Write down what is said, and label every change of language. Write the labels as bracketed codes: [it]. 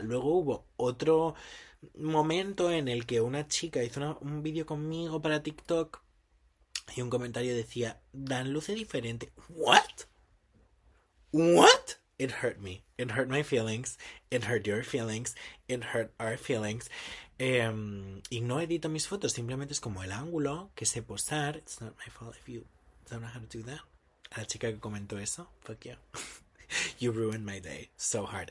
[es] Luego hubo otro momento en el que una chica hizo un vídeo conmigo para TikTok y un comentario decía, Dan luce diferente. [en] ¿What? ¿What? It hurt me. It hurt my feelings. It hurt your feelings. It hurt our feelings. [es] Y no edito mis fotos, simplemente es como el ángulo que sé posar. [en] It's not my fault if you don't know how to do that. [es] A la chica que comentó eso, [en] fuck you. You ruined my day so hard.